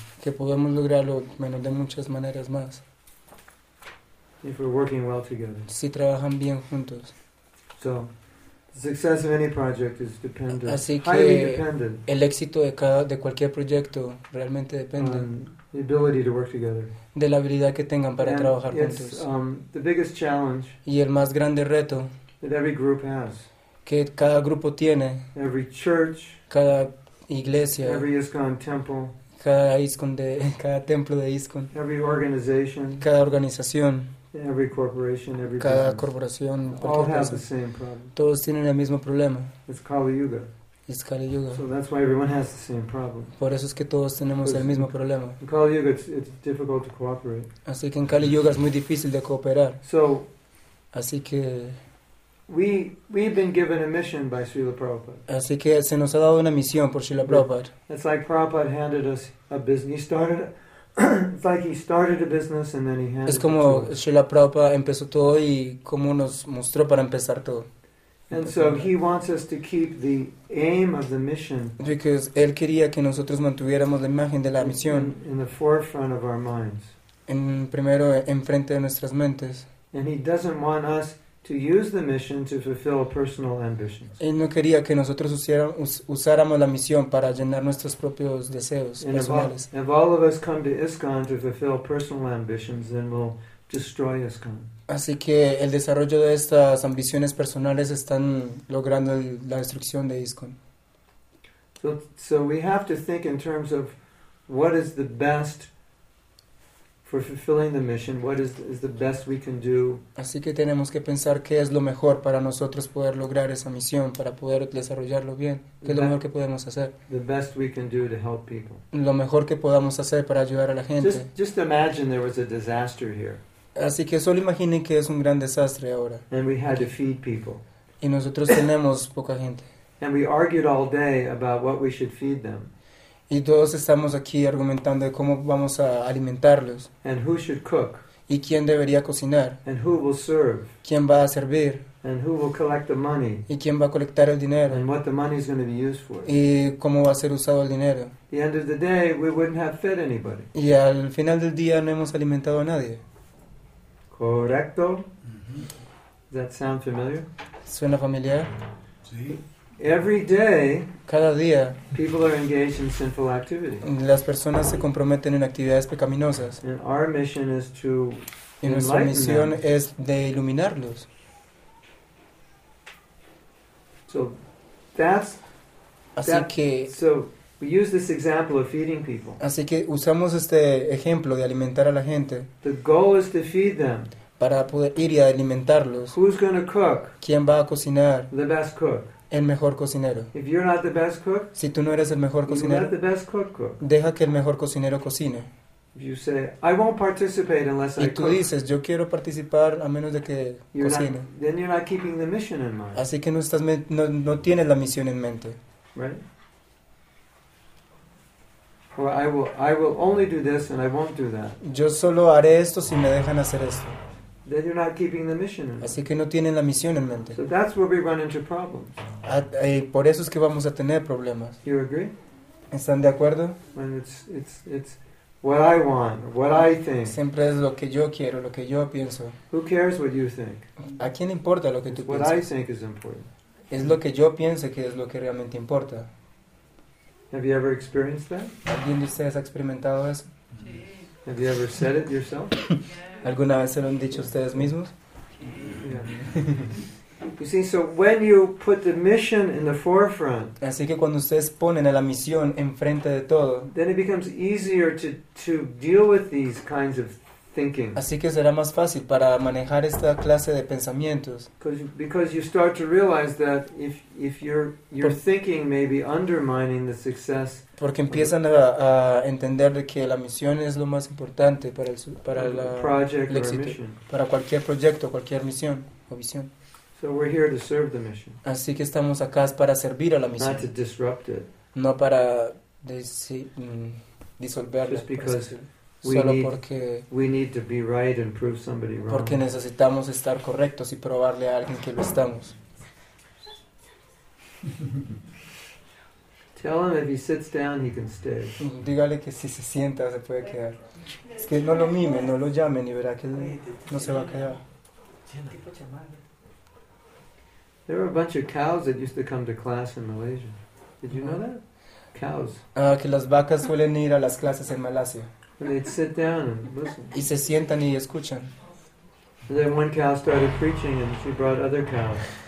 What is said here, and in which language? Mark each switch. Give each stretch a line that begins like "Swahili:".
Spanish: Que podemos lograrlo bueno, de muchas maneras más.
English: If we're working well together.
Spanish: Si trabajan bien juntos.
English: So, the success of any project is dependent,
Spanish: así que
English: highly dependent,
Spanish: el éxito de cada de cualquier proyecto realmente depende
English: on the ability to work together.
Spanish: De la habilidad que tengan para
English: And
Spanish: trabajar
English: it's,
Spanish: juntos.
English: The biggest challenge
Spanish: y el más grande reto
English: that every group has.
Spanish: Que cada grupo tiene.
English: Every church,
Spanish: cada iglesia.
English: Every ISKCON temple.
Spanish: Cada templo de ISKCON,
English: every organization,
Spanish: cada organización,
English: every corporation, every
Spanish: cada
English: business,
Spanish: corporación,
English: all have
Spanish: cosa,
English: the same problem.
Spanish: Todos tienen el mismo problema.
English: It's Kali Yuga.
Spanish: Es Kali Yuga.
English: So that's why everyone has the same problem.
Spanish: Por eso es que todos tenemos el mismo problema.
English: In Kali Yuga, it's difficult to cooperate.
Spanish: Así que en Kali Yuga es muy difícil de cooperar.
English: So,
Spanish: así que
English: we've been given a mission by Srila Prabhupada.
Spanish: Así que se nos ha dado una misión por Srila Prabhupada.
English: It's like Prabhupada handed us a business. it's like he started a business and then he handed us.
Spanish: Es como Srila Prabhupada empezó todo y como nos mostró para empezar todo.
English: And so he wants us to keep the aim of the mission. Because
Spanish: él quería que nosotros mantuviéramos la imagen de la misión.
English: In the forefront of our minds.
Spanish: En primero enfrente de nuestras mentes.
English: And he doesn't want us to use the mission to fulfill personal ambitions.
Spanish: Él no quería que nosotros usáramos la misión para llenar nuestros propios deseos
English: and
Spanish: personales.
English: If all of us come to ISKCON to fulfill personal ambitions, then we'll destroy ISKCON.
Spanish: Así que el desarrollo de estas ambiciones personales están logrando la destrucción de ISKCON.
English: So we have to think in terms of what is the best for fulfilling the mission, what is the best we can do?
Spanish: Así que tenemos que pensar qué es lo mejor para nosotros poder lograr esa misión, para poder desarrollarlo bien. ¿Qué es lo mejor que podemos hacer?
English: The best we can do to help people.
Spanish: Lo mejor que podamos hacer para ayudar a la gente.
English: Just imagine there was a disaster here.
Spanish: Así que solo imaginen que es un gran desastre ahora.
English: And we had to feed people.
Spanish: Y nosotros tenemos poca gente.
English: And we argued all day about what we should feed them.
Spanish: Y todos estamos aquí argumentando de cómo vamos a alimentarlos.
English: And who should cook.
Spanish: Y quién debería cocinar.
English: And who will serve.
Spanish: Quién va a servir.
English: And who will collect the money.
Spanish: Y quién va a colectar el dinero.
English: And what the money is going to be used for.
Spanish: Y cómo va a ser usado el dinero.
English: The end of the day, we wouldn't have fed anybody.
Spanish: Y al final del día no hemos alimentado a nadie. Correcto.
English: Does that sound familiar?
Spanish: ¿Suena familiar? Sí.
English: Every day,
Spanish: cada día,
English: people are engaged in sinful activity.
Spanish: Las personas se comprometen en actividades pecaminosas.
English: And our mission is to
Spanish: y nuestra misión
English: them.
Spanish: Es de iluminarlos.
English: So, that's,
Spanish: así
English: that,
Spanish: que,
English: so we use this example of feeding people.
Spanish: Así que usamos este ejemplo de alimentar a la gente.
English: The goal is to feed them.
Spanish: Para poder ir y alimentarlos.
English: Who's gonna cook?
Spanish: ¿Quién va a cocinar?
English: The best cook.
Spanish: el mejor cocinero.
English: If you're not the best cook,
Spanish: si tú no eres el mejor cocinero,
English: let the best cook cook.
Spanish: Deja que el mejor cocinero cocine.
English: You say, I won't participate unless
Spanish: y tú
English: I cook.
Spanish: Dices, yo quiero participar a menos de que
English: you're
Spanish: cocine.
English: Not, then you're not keeping the mission in mind.
Spanish: Así que no tienes la misión en mente.
English: Right? Well, I will only do this and I won't do that.
Spanish: Yo solo haré esto si me dejan hacer esto.
English: Then you're not keeping the mission in mind.
Spanish: Así que no tienen la misión en mente.
English: So that's where we run into problems.
Spanish: Por eso es que vamos a tener problemas.
English: You agree?
Spanish: ¿Están de acuerdo?
English: When it's what I want, what I think.
Spanish: Siempre es lo que yo quiero, lo que yo pienso.
English: Who cares what you think?
Spanish: ¿A quién importa lo que
English: it's
Spanish: tú piensas?
English: What I think is important.
Spanish: Es lo que yo pienso que es lo que realmente importa.
English: Have you ever experienced that?
Spanish: ¿Alguien de ustedes ha experimentado eso?
English: Have you ever said it yourself?
Spanish: ¿Alguna vez se lo han dicho ustedes mismos?
English: Yeah. You see, so when you put the mission in the forefront,
Spanish: así que cuando ustedes ponen a la misión enfrente de todo,
English: then it becomes easier to deal with these kinds of thinking.
Spanish: Así que será más fácil para manejar esta clase de pensamientos.
English: Because you start to realize that if your thinking may be undermining the success.
Spanish: Porque empiezan a entender de que la misión es lo más importante para el éxito, para cualquier proyecto, cualquier misión o visión.
English: So we're here to serve the mission.
Spanish: Así que estamos acá para servir a la misión.
English: Not to disrupt it.
Spanish: No para disolverla.
English: Just because we need to be right and prove somebody wrong.
Spanish: Porque necesitamos estar correctos y probarle a alguien que lo estamos.
English: Tell him if he sits down, he can stay.
Spanish: Dígale que si se sienta se puede quedar. Es que no lo mime, no lo llame y verá que él no se va a quedar.
English: There were a bunch of cows that used to come to class in Malaysia. Did you know that? Cows.
Spanish: Que las vacas suelen ir a las clases en Malasia.
English: And they'd sit down and listen.
Spanish: Y se sientan y escuchan.
English: And then one cow started preaching and she brought other cows.